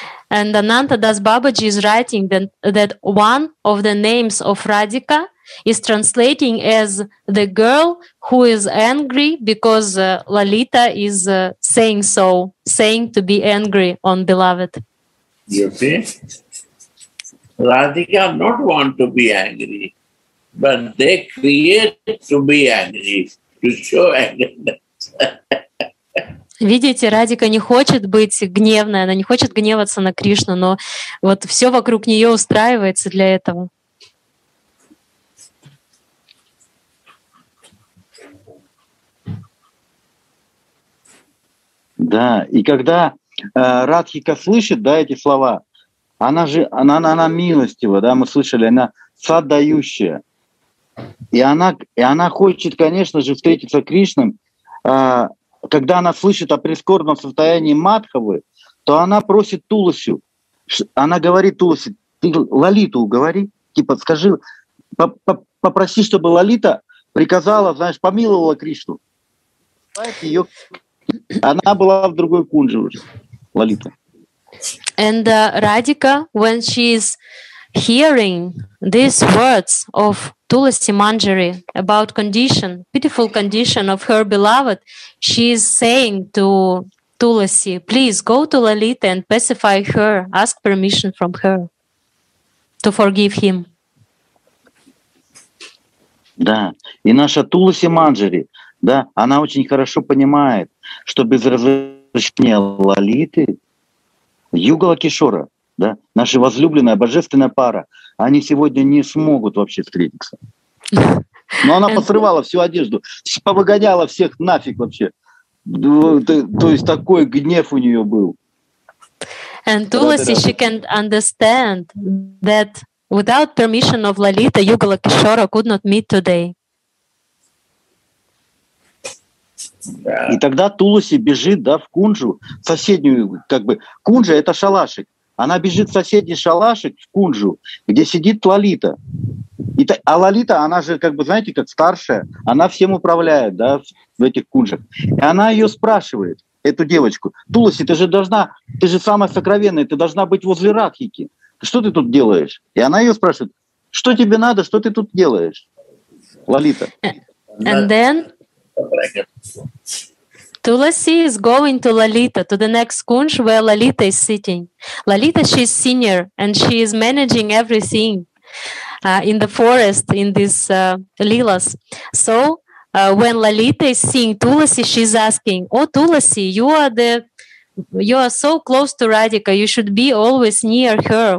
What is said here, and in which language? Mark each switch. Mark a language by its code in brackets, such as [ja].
[en] And Ananta Das Babaji is writing that one of the names of Radhika is translating as the girl who is angry because Lolita is saying to be angry on beloved. You see, Radhika not want to be angry, but they create to be angry, to show angerness. [ru] Видите, Радика не хочет быть гневной, она не хочет гневаться на Кришну, но вот все вокруг нее устраивается для этого. Да, и когда Радхика слышит, да, эти слова, она же, она милостива, да, мы слышали, она садающая. И она хочет, конечно же, встретиться с Кришной. Когда она слышит о прискорбном состоянии Мадхавы, то она просит Туласю, она говорит Туласе, ты Лолиту говори, типа скажи, попроси, чтобы Лолита приказала, знаешь, помиловала Кришну. Она была в другой кунже уже, Лолита. [en] And Radhika, when she is hearing these words of Tulasi Manjari about condition, pitiful condition of her beloved, she is saying to Tulasi, please go to Lolita and pacify her, ask permission from her to forgive him. [ru] Да, и наша Туласи Манджари, да, она очень хорошо понимает, что без разрешения Лолиты Югала Кишора, да, наша возлюбленная божественная пара, они сегодня не смогут вообще встретиться. Но она посрывала всю одежду, повыгоняла всех нафиг вообще. То есть такой гнев у нее был. [en] And Tulasi, she can understand that without permission of Lolita, Yugala Kishora could not meet today. [ru] И тогда Туласи бежит, да, в кунджу, в соседнюю, как бы, кунджа – это шалашик. Она бежит в соседний шалашик, в кунджу, где сидит Лалита. И, а Лалита, она же, как бы, знаете, как старшая, она всем управляет, да, в этих кунджах. И она ее спрашивает, эту девочку: «Туласи, ты же должна, ты же самая сокровенная, ты должна быть возле Радхики. Что ты тут делаешь?» И она ее спрашивает: «Что тебе надо, что ты тут делаешь, Лалита?» [en] And then Tulasi is going to Lalita, to the next kunj where Lalita is sitting. Lalita, she is senior and she is managing everything in the forest, in these lilas. So when Lalita is seeing Tulasi, she's asking, oh Tulasi, you are so close to Radhika, you should be always near her.